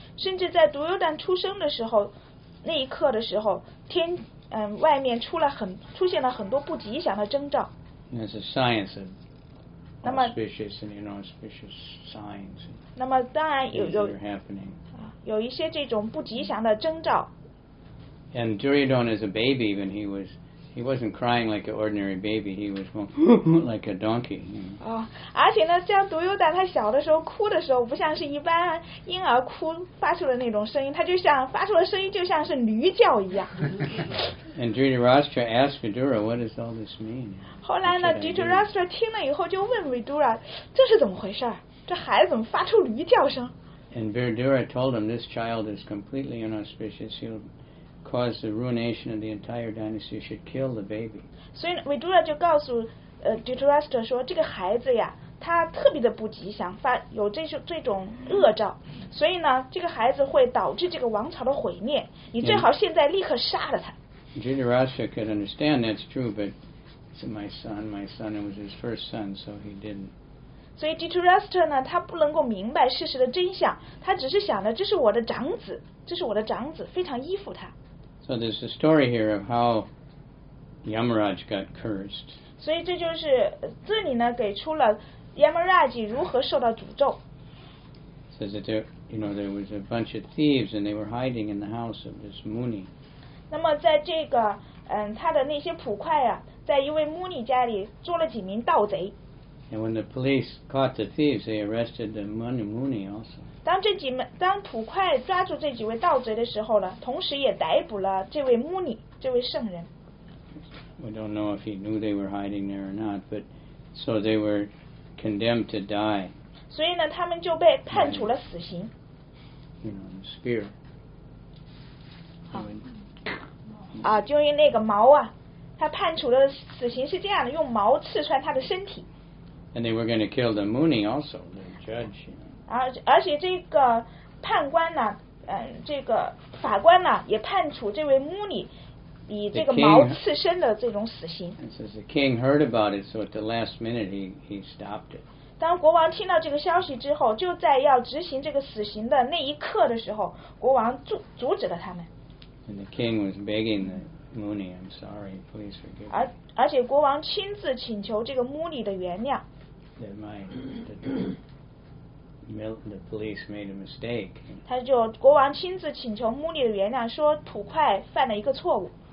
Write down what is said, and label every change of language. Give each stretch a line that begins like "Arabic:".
Chinese: 甚至在独优旦出生的时候，那一刻的时候，天外面出现了很多不吉祥的征兆。
English: That's a science of auspicious and inauspicious signs.
Chinese: 那么当然有
English: happening.
Chinese: 有一些这种不吉祥的征兆。
English: And Duryodhana as a baby, when he wasn't crying like an ordinary baby. He was going like a donkey.
Chinese: Oh, 而且呢，像独优旦他小的时候哭的时候，不像是一般婴儿哭发出的那种声音，他就像发出的声音就像是驴叫一样。
English: And Dhritarashtra asked Vidura, "What does all this mean?"
Chinese: 后来呢 ，Dhritarashtra 听了以后就问 Vidura, "这是怎么回事？这孩子怎么发出驴叫声？"
English: And Vidura told him, "This child is completely inauspicious. He'll." Caused the ruination of the entire dynasty should kill the baby.
Chinese: So Vidura 就告诉Dhritarashtra 说这个孩子呀他特别的不吉祥发有这种恶兆所以呢这个孩子会导致这个王朝的毁灭你最好现在立刻杀了他
English: Dhritarashtra could understand that's true but it's my son it was his first son so he didn't.
Chinese: 所以 Dhritarashtra 呢他不能够明白事实的真相他只是想着这是我的长子非常依附他
English: So there's a story here of how Yamaraj got cursed.
Chinese: 所以这就是这里呢给出了 Yamaraj 如何受到诅咒。
English: Says that there was a bunch of thieves and they were hiding in the house of this Muni.
Chinese: 那么在这个他的那些捕快啊，在一位 Muni 家里捉了几名盗贼。
English: And when the police caught the thieves, they arrested the Muni also.
Chinese: 当捕快抓住这几位盗贼的时候呢，同时也逮捕了这位穆尼，这位圣人。
English: We don't know if he knew they were hiding there or not, but so they were condemned to die.
Chinese: 所以呢，他们就被判处了死刑。
English: Spear.
Chinese: 好。啊，就用那个矛啊，他判处的死刑是这样的，用矛刺穿他的身体。
English: And they were going to kill the Muni also, the judge.
Chinese: 而且这个判官呢，这个法官呢，也判处这位穆尼以这个矛刺身的这种死刑。
English: The king heard about it, so at the last minute he stopped it.
Chinese: 当国王听到这个消息之后，就在要执行这个死刑的那一刻的时候，国王阻止了他们。
English: And the king was begging the Muni, "I'm sorry, please forgive."
Chinese: 而且国王亲自请求这个穆尼的原谅。
English: That my the police made a mistake.
Chinese: 他就国王亲自请求 Muni 的原谅，说土块犯了一个错误。